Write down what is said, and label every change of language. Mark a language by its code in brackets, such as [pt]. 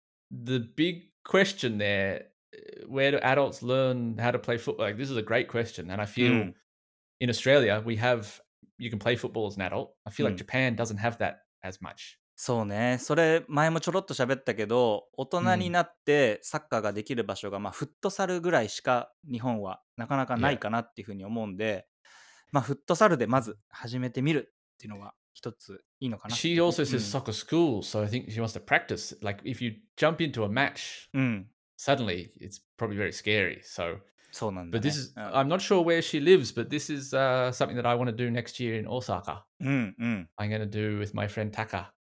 [en] The big question there, where do adults learn how to play football? Like, this is a great question. And I feel in Australia, we have, you can play football as an adult. I feel like Japan doesn't have that as much. [ja] そうね、それ前もちょろっと喋ったけど、大人になってサッカーができる場所がまあフットサルぐらいしか日本はなかなかないかなっていうふうに思うんで、まあフットサルでまず始めてみるっていうのは一ついいのかな。 [en] She also says soccer school, so I think she wants to practice. Like if you jump into a match, suddenly it's probably very scary. So, [ja] そうなんだ、ね、 [en] But this is, I'm not sure where she lives, but this is something that I want to do next year in Osaka. I'm going to do with my friend Taka.